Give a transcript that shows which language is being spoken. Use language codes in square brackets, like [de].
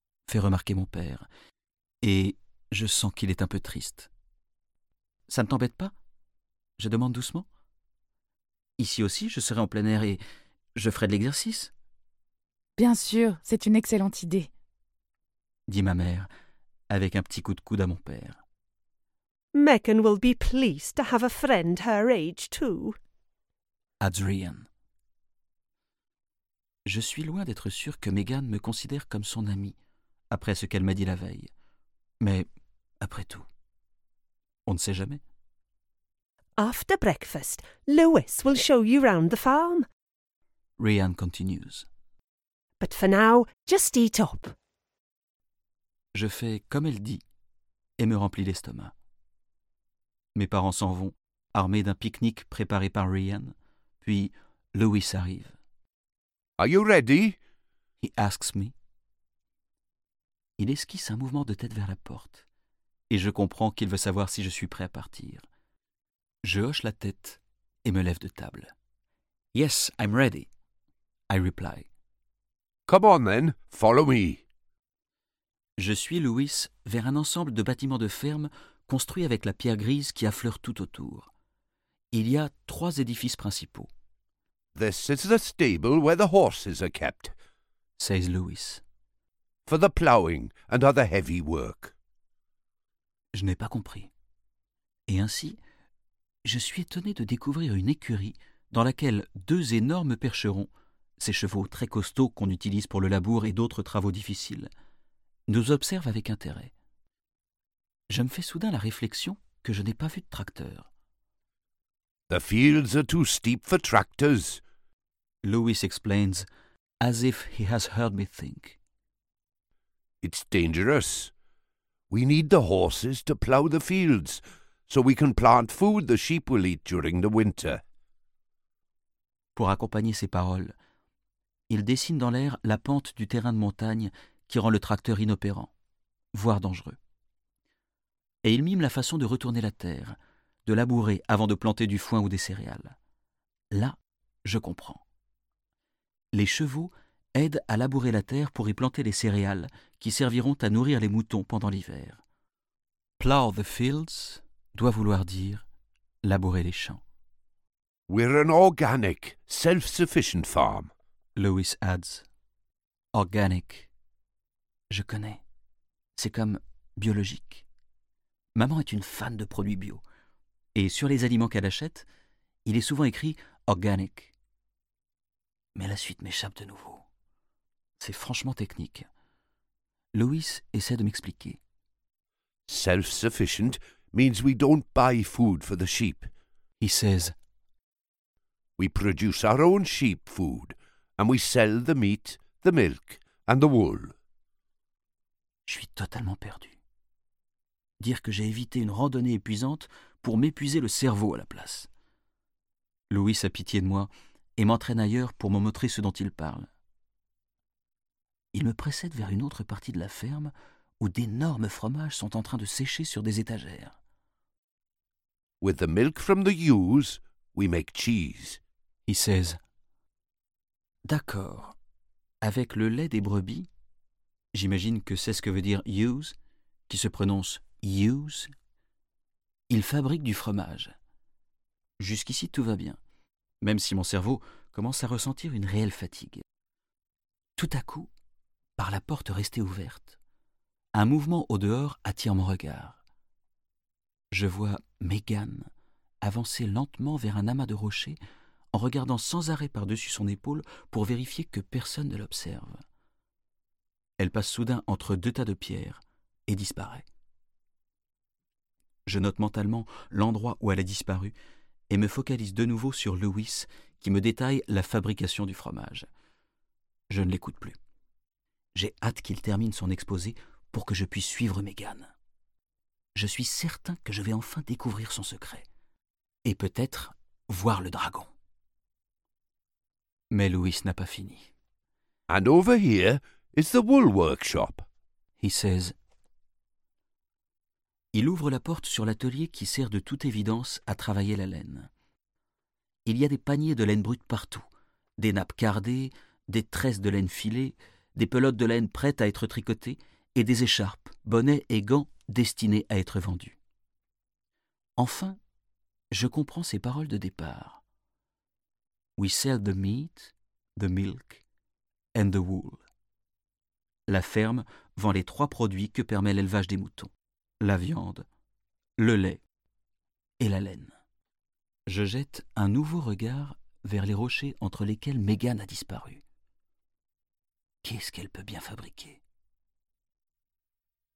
[fr] Fait remarquer mon père, et je sens qu'il est un peu triste. Ça ne t'embête pas? Je demande doucement. Ici aussi, je serai en plein air et je ferai de l'exercice. Bien sûr, c'est une excellente idée, dit ma mère, avec un petit coup de coude à mon père. [en] Megan will be pleased to have a friend her age too, adds Rhian. [fr] Je suis loin d'être sûr que Megan me considère comme son amie. Après ce qu'elle m'a dit la veille. Mais, après tout, on ne sait jamais. [en] After breakfast, Lewis will show you round the farm. Rhian continues. But for now, just eat up. [fr] Je fais comme elle dit et me remplis l'estomac. Mes parents s'en vont, armés d'un pique-nique préparé par Rhian. Puis, Lewis arrive. [en] Are you ready? He asks me. [fr] Il esquisse un mouvement de tête vers la porte, et je comprends qu'il veut savoir si je suis prêt à partir. Je hoche la tête et me lève de table. [en] « Yes, I'm ready », I reply. « Come on then, follow me ». [fr] Je suis Lewis vers un ensemble de bâtiments de ferme construits avec la pierre grise qui affleure tout autour. Il y a trois édifices principaux. [en] « This is the stable where the horses are kept », says Lewis. For the ploughing and other heavy work. [fr] Je n'ai pas compris. Et ainsi, je suis étonné de découvrir une écurie dans laquelle deux énormes percherons, ces chevaux très costauds qu'on utilise pour le labour et d'autres travaux difficiles, nous observent avec intérêt. Je me fais soudain la réflexion que je n'ai pas vu de tracteur. [en] The fields are too steep for tractors, Lewis explains, as if he has heard me think. It's dangerous. We need the horses to plough the fields, so we can plant food the sheep will eat during the winter. [fr] Pour accompagner ses paroles, il dessine dans l'air la pente du terrain de montagne qui rend le tracteur inopérant, voire dangereux. Et il mime la façon de retourner la terre, de labourer avant de planter du foin ou des céréales. Là, je comprends. Les chevaux aide à labourer la terre pour y planter les céréales qui serviront à nourrir les moutons pendant l'hiver. [en] Plough the fields [fr] doit vouloir dire labourer les champs. [en] We're an organic, self-sufficient farm, Lewis adds. Organic. [fr] Je connais. C'est comme biologique. Maman est une fan de produits bio. Et sur les aliments qu'elle achète, il est souvent écrit organic. Mais la suite m'échappe de nouveau. C'est franchement technique. Lewis essaie de m'expliquer. [en] Self-sufficient means we don't buy food for the sheep, he says. We produce our own sheep food, and we sell the meat, the milk, and the wool. [fr] Je suis totalement perdu. Dire que j'ai évité une randonnée épuisante pour m'épuiser le cerveau à la place. Lewis a pitié de moi et m'entraîne ailleurs pour me montrer ce dont il parle. Il me précède vers une autre partie de la ferme où d'énormes fromages sont en train de sécher sur des étagères. [en] With the milk from the ewes, we make cheese, he says. [fr] D'accord. Avec le lait des brebis, j'imagine que c'est ce que veut dire ewes, qui se prononce ewes, il fabrique du fromage. Jusqu'ici, tout va bien, même si mon cerveau commence à ressentir une réelle fatigue. Tout à coup, par la porte restée ouverte, un mouvement au dehors attire mon regard. Je vois Megan avancer lentement vers un amas de rochers en regardant sans arrêt par-dessus son épaule pour vérifier que personne ne l'observe. Elle passe soudain entre deux tas de pierres et disparaît. Je note mentalement l'endroit où elle a disparu et me focalise de nouveau sur Lewis qui me détaille la fabrication du fromage. Je ne l'écoute plus. J'ai hâte qu'il termine son exposé pour que je puisse suivre Megan. Je suis certain que je vais enfin découvrir son secret. Et peut-être voir le dragon. Mais Lewis n'a pas fini. [en] And over here is the wool workshop, he says. [fr] Il ouvre la porte sur l'atelier qui sert de toute évidence à travailler la laine. Il y a des paniers de laine brute partout, des nappes cardées, des tresses de laine filée, des pelotes de laine prêtes à être tricotées et des écharpes, bonnets et gants destinés à être vendus. Enfin, je comprends ses paroles de départ. [en] We sell the meat, the milk, and the wool. [fr] La ferme vend les trois produits que permet l'élevage des moutons, la viande, le lait et la laine. Je jette un nouveau regard vers les rochers entre lesquels Megan a disparu. Qu'est-ce qu'elle peut bien fabriquer ?